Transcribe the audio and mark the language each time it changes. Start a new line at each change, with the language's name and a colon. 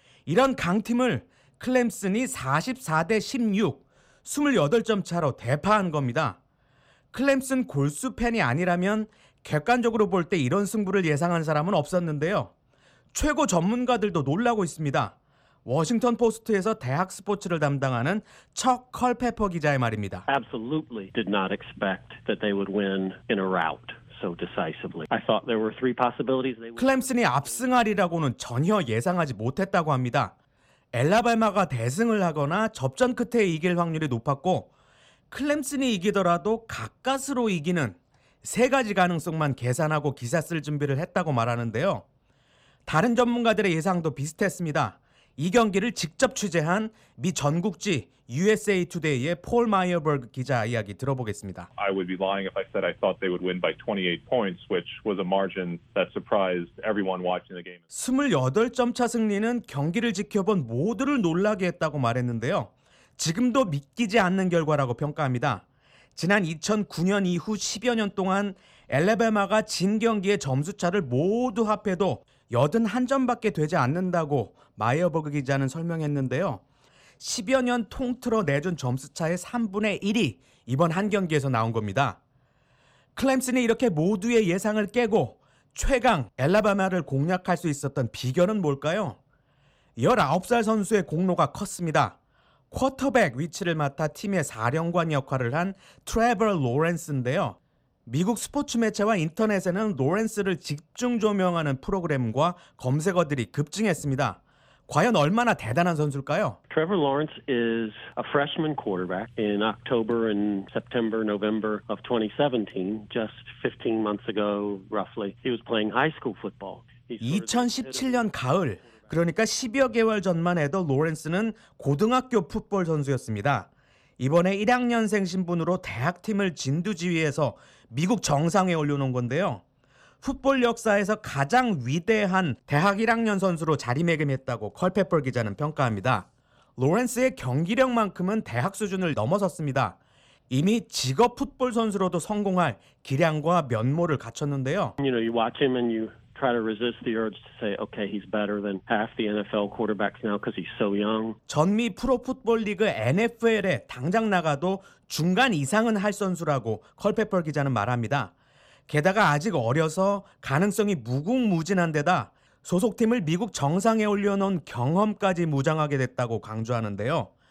Korean: 이런 강팀을 클렘슨이 44대 16, 28점 차로 대파한 겁니다. 클렘슨 골수 팬이 아니라면 객관적으로 볼 때 이런 승부를 예상한 사람은 없었는데요. 최고 전문가들도 놀라고 있습니다. 워싱턴 포스트에서 대학 스포츠를 담당하는 척 컬페퍼 기자의 말입니다.
English: Absolutely did not expect that they would win in a rout so decisively. I thought there were three possibilities.
Korean: 클렘슨이 압승하리라고는 전혀 예상하지 못했다고 합니다. 엘라발마가 대승을 하거나 접전 끝에 이길 확률이 높았고 클렘슨이 이기더라도 가까스로 이기는 세 가지 가능성만 계산하고 기사 쓸 준비를 했다고 말하는데요. 다른 전문가들의 예상도 비슷했습니다. 이 경기를 직접 취재한 미 전국지 USA Today의 폴 마이어버그 기자 이야기 들어보겠습니다.
English: I would be lying if I said I thought they would win by 28 points, which was a margin that surprised everyone watching the game.
Korean: 28점 차 승리는 경기를 지켜본 모두를 놀라게 했다고 말했는데요. 지금도 믿기지 않는 결과라고 평가합니다. 지난 2009년 이후 10여 년 동안 엘라바마가 진 경기의 점수 차를 모두 합해도 81점밖에 되지 않는다고 마이어버그 기자는 설명했는데요. 10여 년 통틀어 내준 점수차의 3분의 1이 이번 한 경기에서 나온 겁니다. 클렘슨이 이렇게 모두의 예상을 깨고 최강 엘라바마를 공략할 수 있었던 비결은 뭘까요? 19살 선수의 공로가 컸습니다. 쿼터백 위치를 맡아 팀의 사령관 역할을 한 트레버 로렌스인데요. 미국 스포츠 매체와 인터넷에는 로렌스를 집중 조명하는 프로그램과 검색어들이 급증했습니다. 과연 얼마나 대단한 선수일까요?
English: Trevor Lawrence is a freshman quarterback in October and September, November of 2017, just 15 months ago, roughly. He was playing high school football.
Korean: 2017년 가을, 그러니까 10여 개월 전만 해도 로렌스는 고등학교 풋볼 선수였습니다. 이번에 1학년생 신분으로 대학팀을 진두지휘해서 미국 정상에 올려놓은 건데요. 풋볼 역사에서 가장 위대한 대학 1학년 선수로 자리매김했다고 컬페퍼 기자는 평가합니다. 로렌스의 경기력만큼은 대학 수준을 넘어섰습니다. 이미 직업 풋볼 선수로도 성공할 기량과 면모를 갖췄는데요.
English: You know, you watch him and you try to resist the urge to say, okay, he's better than half the NFL quarterbacks now because he's so young.
Korean: 전미 프로 풋볼 리그 NFL에 당장 나가도 중간 이상은 할 선수라고 컬페퍼 기자는 말합니다. 게다가 아직 어려서 가능성이 무궁무진한 데다 소속팀을 미국 정상에 올려놓은 경험까지 무장하게 됐다고 강조하는데요.